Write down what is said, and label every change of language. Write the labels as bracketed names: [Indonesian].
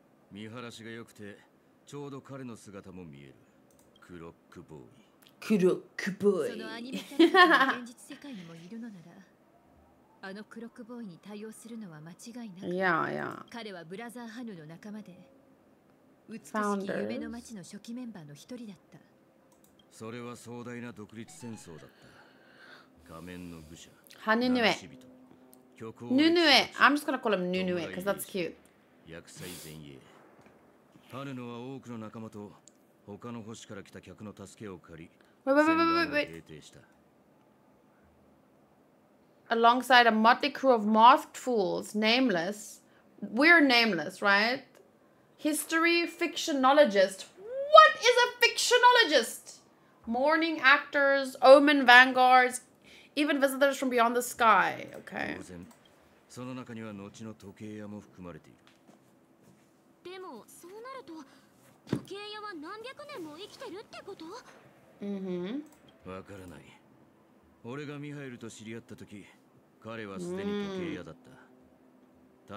[Japanese] 見晴らしが良くて、ちょうど彼の姿も見える。クロックボーイ。クロックボーイ。そのアニメキャラが現実世界にもいるのなら、あのクロックボーイに対応するのは間違いなく。彼はブラザーハヌの仲間で。 [English] Founders. Hanunue. I'm just gonna call him Nunue, because that's cute. Wait, wait, wait, wait, wait, wait. alongside a motley crew of masked fools, nameless. We're nameless, right? History fictionologist. What is a fictionologist? Mourning actors, omen vanguards, even visitors from beyond the sky. Okay. [Japanese] その中には後の時計屋も含まれている。でもそうなると時計屋は何百年も生きてるってこと？わからない。俺がミハイルと知り合った時、彼はすでに時計屋だった。